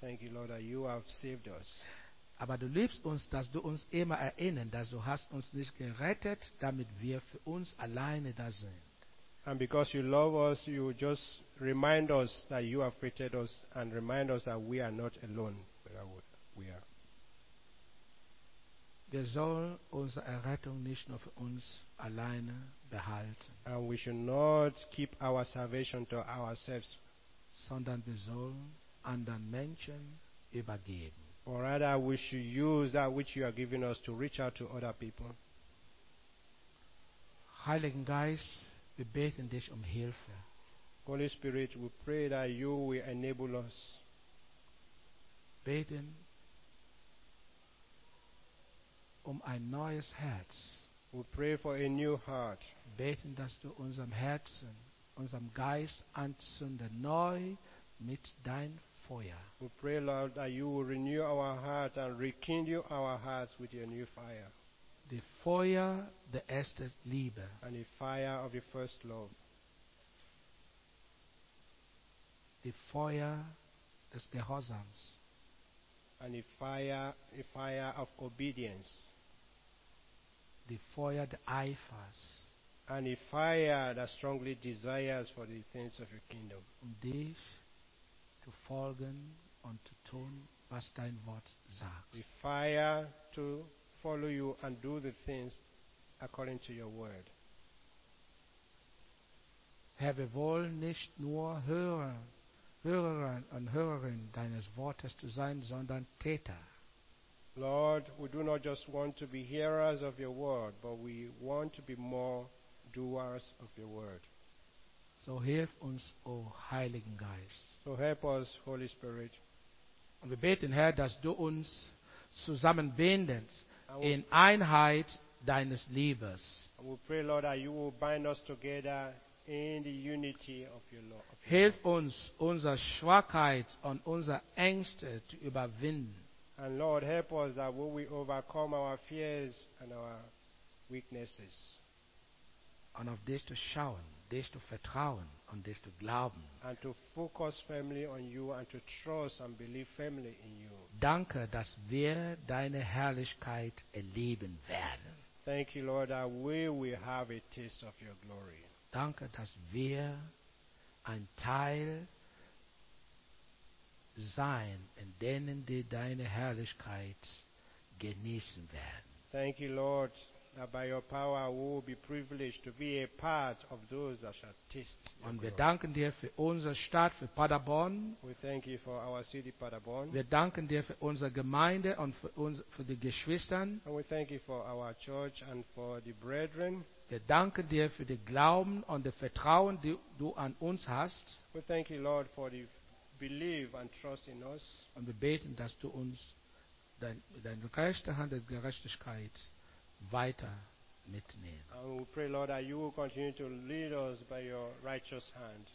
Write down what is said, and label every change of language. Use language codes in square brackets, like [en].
[en] Thank you, Lord, that you have saved us. [de] Aber du liebst uns, dass du uns immer erinnern, dass du hast uns nicht gerettet, damit wir für uns alleine da sind. [en] And because you love us, you just remind us that you have created us and remind us that we are not alone where we are. [de] Wir sollen unsere Errettung nicht nur für uns alleine behalten. [en] And we should not keep our salvation to ourselves. [de] Sondern wir sollen anderen Menschen übergeben. [en] Or rather, we should use that which you are giving us to reach out to other people. [de] Heiligen Geist, wir beten dich Hilfe. [en] Holy Spirit, we pray that you will enable us. [de] Beten ein neues Herz. [en] We pray for a new heart. [de] Beten, dass du unserem Herzen, unserem Geist anzünden neu mit dein Feuer. [en] We pray, Lord, that you will renew our hearts and rekindle our hearts with your new fire. The [de] Feuer der ersten Liebe. [en] And the fire of the first love. The [de] Feuer des Gehorsams. [en] And the fire of obedience. The [de] Feuer der Eifers. [en] And the fire that strongly desires for the things of your kingdom. [de] Dich zu folgen und zu tun, was dein Wort sagt. [en] The fire to follow you and do the things according to your word. [de] Herr, wir wollen nicht nur Hörer und Hörerin deines Wortes zu sein, sondern Täter. [en] Lord, we do not just want to be hearers of your word, but we want to be more doers of your word. [de] So hilf uns, O Heiligen Geist. [en] So help us, Holy Spirit. [de] Und wir beten, Herr, dass du uns zusammenbindest in Einheit deines Liebes. [en] And we pray, Lord, that you will bind us together in the unity of your love. [de] Hilf uns, unsere Schwachheit und unsere Ängste zu überwinden. [en] And Lord, help us that we will overcome our fears and our weaknesses. [de] Und auf dich zu schauen, dich zu vertrauen und dich zu glauben. [en] And to focus firmly on you and to trust and believe firmly in you. [de] Danke, dass wir deine Herrlichkeit erleben werden. [en] Thank you, Lord, that we will have a taste of your glory. [de] Danke, dass wir ein Teil sein, in denen die deine Herrlichkeit genießen werden. [en] Thank you, Lord, that by your power we will be privileged to be a part of those that shall taste your glory. [de] Und wir danken dir für unsere Stadt, für Paderborn. [en] We thank you for our city, Paderborn. [de] Wir danken dir für unsere Gemeinde und für die Geschwistern. [en] And we thank you for our church and for the brethren. [de] Wir danken dir für den Glauben und das Vertrauen, die du an uns hast. [en] We thank you, Lord, for the believe and trust in us. [de] Und wir beten, dass du uns deine rechte Hand der Gerechtigkeit weiter mitnimmst. [en] And we pray, Lord, that you will continue to lead us by your righteous hand.